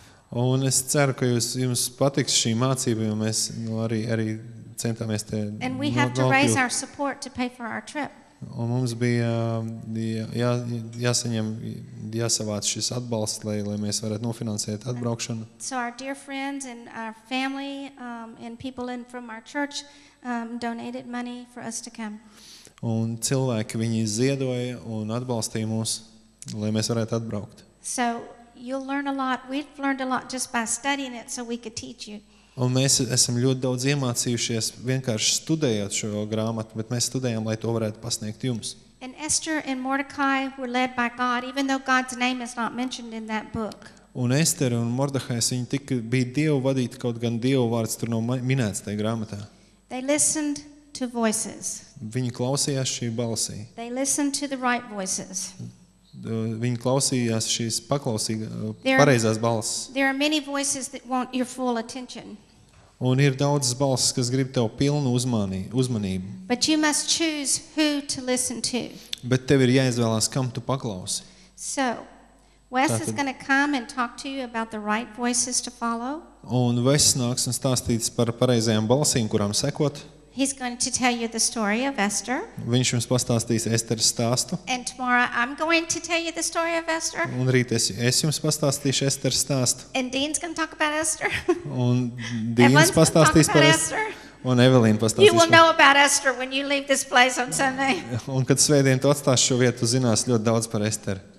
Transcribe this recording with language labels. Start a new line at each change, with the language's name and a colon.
Latvian: Un es ceru, ka jums patiks šī mācība, jo mēs arī centāmies te nopļūt.
English: And we have to raise our support to pay for our trip.
Latvian: Un mums bija jāsavāc šis atbalsts, lai mēs varētu nofinansēt atbraukšanu.
English: So our dear friends and our family and people in from our church donated money for us to come.
Latvian: Un cilvēki viņi ziedoja un atbalstīja mūs, lai mēs varētu atbraukt.
English: So you'll learn a lot. We've learned a lot just by studying it so we could teach you.
Latvian: Un mēs esam ļoti daudz iemācījušies vienkārši studējot šo grāmatu, bet mēs studējam, lai to varētu pasniegt jums.
English: And Esther and Mordecai were led by God, even though God's name is not mentioned in that book.
Latvian: Un Esther un Mordecai, viņi tik bija Dievu vadīti, kaut gan Dievu vārds tur nav minēts tajā grāmatā.
English: They listened to voices.
Latvian: Viņi klausījās šī balsī.
English: They listened to the right voices.
Latvian: Viņi klausījās šīs paklausīgās pareizās balss.
English: There are many voices that want your full attention.
Latvian: Un ir daudzas balss, kas grib tev pilnu uzmanību.
English: But you must choose who to listen to.
Latvian: Bet tev ir jāizvēlās, kam tu paklausi.
English: So, Wes is going to come and talk to you about the right voices to follow.
Latvian: Un Wes nāks un stāstīts par pareizajām balsīm, kurām sekot.
English: He's going to tell you the story of Esther.
Latvian: Viņš jums pastāstīs Esteras stāstu.
English: And tomorrow I'm going to tell you the story of Esther.
Latvian: Un rīt es jums pastāstīšu Esteras stāstu.
English: And Dean's going to talk about Esther.
Latvian: Un Dean's pastāstīs par Esteru. Un Evelyn pastāstīs.
English: You will know about Esther when you leave this place on Sunday.
Latvian: Un kad svētdien tu atstāsi šo vietu, zinās ļoti daudz par Esteru.